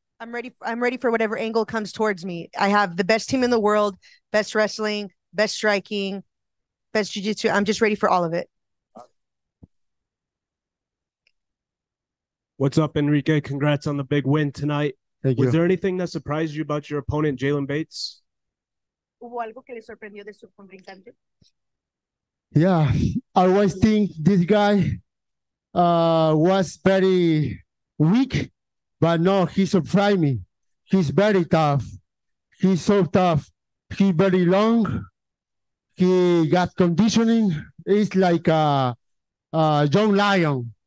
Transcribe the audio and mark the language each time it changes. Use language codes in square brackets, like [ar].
[en] I'm ready for whatever angle comes towards me. I have the best team in the world, best wrestling, best striking, best jiu-jitsu. I'm just ready for all of it. What's up, Enrique? Congrats on the big win tonight. Thank Was you. there anything that surprised you about your opponent, Jaylon Bates? [es] ¿Hubo algo que le sorprendió de su contrincante? [en] Yeah, I always think this guy was very weak, but no, he surprised me. He's very tough. He's so tough. He's very long. He got conditioning. He's like a young lion.